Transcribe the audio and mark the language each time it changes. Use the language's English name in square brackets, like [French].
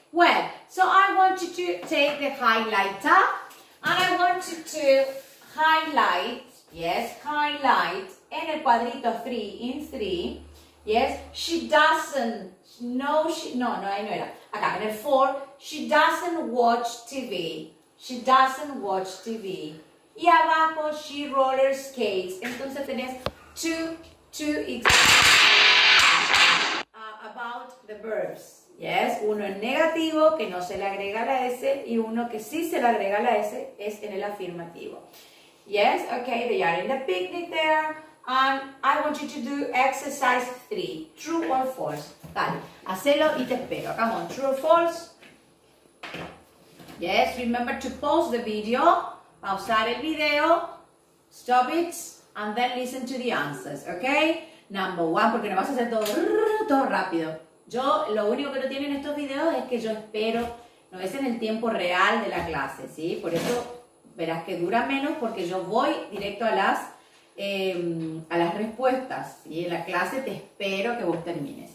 [English] Well, so I want you to take the highlighter and I want you to highlight, yes, highlight in [Spanish] el cuadrito [English] 3, in 3, yes, she doesn't, no, she, no, no, [Spanish] ahí no era, acá, en el 4, [English] she doesn't watch TV, she doesn't watch TV, [Spanish] y abajo, [English] she roller skates, [Spanish] entonces tenés [English] 2 examples about the verbs. [Spanish] Yes, uno es negativo, que no se le agrega la S, y uno que sí se le agrega la S, es en el afirmativo. [English] Yes, okay, they are in the picnic there, and I want you to do exercise 3, true or false. [Spanish] Dale, hacelo y te espero. [English] Come on, true or false. Yes, remember to pause the video, [Spanish] pausar el video, [English] stop it, and then listen to the answers, okay? Number one, [Spanish] porque no vas a hacer todo rápido. Yo, lo único que no tienen estos videos es que yo espero, no es en el tiempo real de la clase, ¿sí? Por eso verás que dura menos porque yo voy directo a las a las respuestas, ¿sí? En la clase te espero que vos termines.